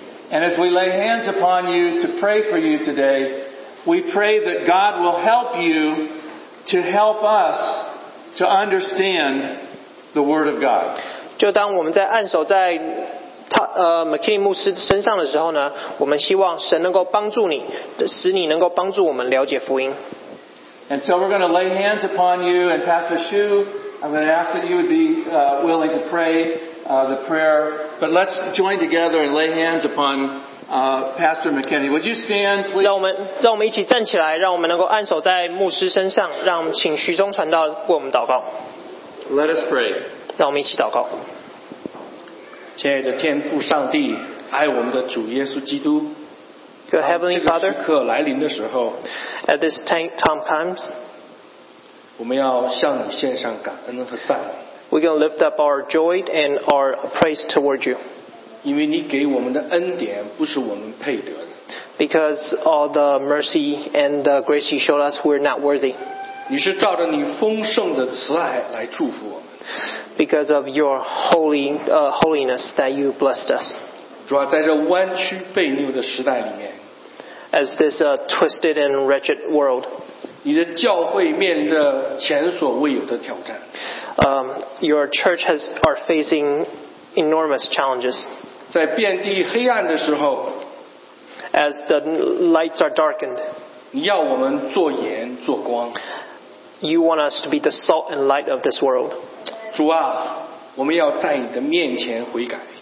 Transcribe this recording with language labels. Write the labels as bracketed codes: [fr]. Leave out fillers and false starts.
[en] And as we lay hands upon you to pray for you today, we pray that God will help you to help us to understand the Word of God. [zh] 就当我们在按手在McKinney 牧师身上的时候呢，我们希望神能够帮助你，使你能够帮助我们了解福音。 [en] And so we're going to lay hands upon you, and Pastor Hsu, I'm going to ask that you would be willing to pray the prayer. But let's join together and lay hands upon Pastor McKinney. Would you stand, please? [zh] 让我们一起站起来，让我们能够按手在牧师身上，让我们请徐中传道为我们祷告。 [en] Let us pray. [zh] 让我们一起祷告。亲爱的天父上帝，爱我们的主耶稣基督。 [en] Good Heavenly Father, [zh] 这个时刻来临的时候 [en] ，At this time comes, [zh] 我们要向你献上感恩和赞美。 [en] We're going to lift up our joy and our praise toward you. [zh] 因为你给我们的恩典不是我们配得的。 [en] Because all the mercy and the grace you showed us, we're not worthy. [zh] 你是照着你丰盛的慈爱来祝福我们。 [en] Because of your holiness that you blessed us. [zh] 主啊，在这弯曲悖谬的时代里面 [en] ，as this twisted and wretched world， [zh] 你的教会面临着前所未有的挑战。 [en] Your church are facing enormous challenges. [zh] 在遍地黑暗的时候 [en] ，as the lights are darkened， [zh] 你要我们做盐做光。 [en] You want us to be the salt and light of this world. [zh] 主啊，我们要在你的面前悔改。